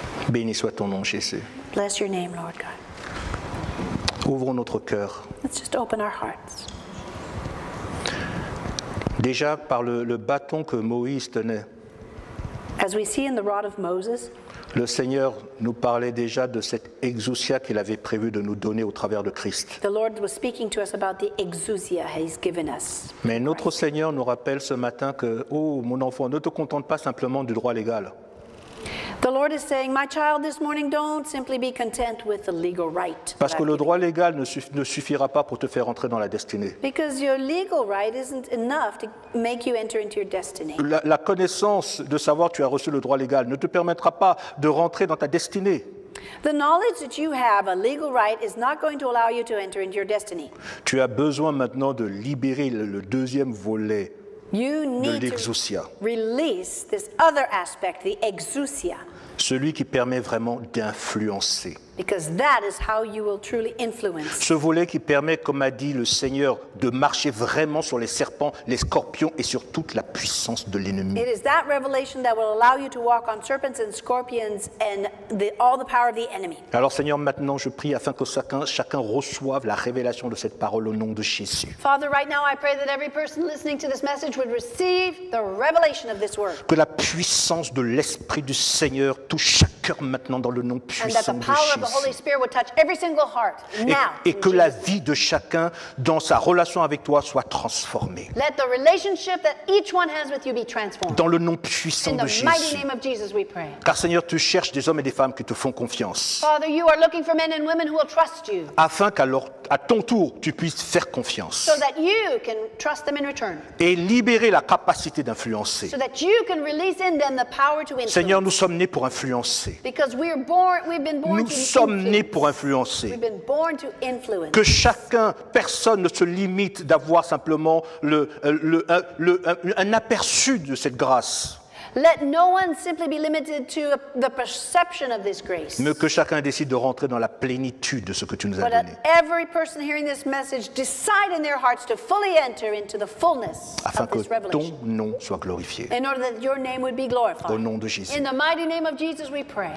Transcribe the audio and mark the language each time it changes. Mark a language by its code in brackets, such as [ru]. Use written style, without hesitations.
[fr] Béni soit ton nom, Jésus. [en] Bless your name, Lord God. [fr] Ouvrons notre cœur. [en] Let's just open our hearts. [fr] Déjà par le bâton que Moïse tenait. [en] As we see in the rod of Moses, [fr] le Seigneur nous parlait déjà de cette exousia qu'il avait prévu de nous donner au travers de Christ. [en] The Lord was speaking to us about the exousia he's given us. [fr] Mais notre Christ. Seigneur nous rappelle ce matin que, oh mon enfant, ne te contente pas simplement du droit légal. [en] The Lord is saying, my child, this morning, don't simply be content with the legal right. [fr] Parce que le droit légal ne suffira pas pour te faire entrer dans la destinée. [en] Because your legal right isn't enough to make you enter into your destiny. [fr] La connaissance de savoir tu as reçu le droit légal ne te permettra pas de rentrer dans ta destinée. [en] The knowledge that you have a legal right is not going to allow you to enter into your destiny. [fr] Tu as besoin maintenant de libérer le deuxième volet. [en] You need to release this other aspect, the exousia. [fr] Celui qui permet vraiment d'influencer. [en] Because that is how you will truly influence. [fr] Ce volet qui permet, comme a dit le Seigneur, de marcher vraiment sur les serpents, les scorpions et sur toute la puissance de l'ennemi. [en] It is that revelation that will allow you to walk on serpents and scorpions and all the power of the enemy. [fr] Alors Seigneur, maintenant je prie afin que chacun reçoive la révélation de cette parole au nom de Jésus. [en] Father, right now I pray that every person listening to this message would receive the revelation of this word. [fr] Que la puissance de l'Esprit du Seigneur touche chaque cœur maintenant dans le nom puissant de Jésus. [en] The Holy Spirit would touch every single heart now. [fr] Et que la vie de chacun dans sa relation avec toi soit transformée. [en] Let the relationship that each one has with you be transformed. [fr] Dans le nom puissant de Jésus. [en] In the mighty name of Jesus we pray. [fr] Car Seigneur, tu cherches des hommes et des femmes qui te font confiance. [en] Father, you are looking for men and women who will trust you. [fr] Afin qu'alors à ton tour, tu puisses faire confiance. [en] So that you can trust them in return. [fr] Et libérer la capacité d'influencer. [en] So that you can release in them the power to influence. [fr] Seigneur, nous sommes nés pour influencer. [en] Because we've been born to influence. [fr] Sommes nés pour influencer. Que chacun, personne ne se limite d'avoir simplement un aperçu de cette grâce. [en] Let no one simply be limited to the perception of this grace. [fr] Mais que chacun décide de rentrer dans la plénitude de ce que tu nous as donné. [en] But every person hearing this message decide in their hearts to fully enter into the fullness [fr] afin [en] of this revelation. [fr] Afin que ton nom soit glorifié. [en] In order that your name would be glorified. [fr] Au nom de Jésus. [en] In the mighty name of Jesus we pray.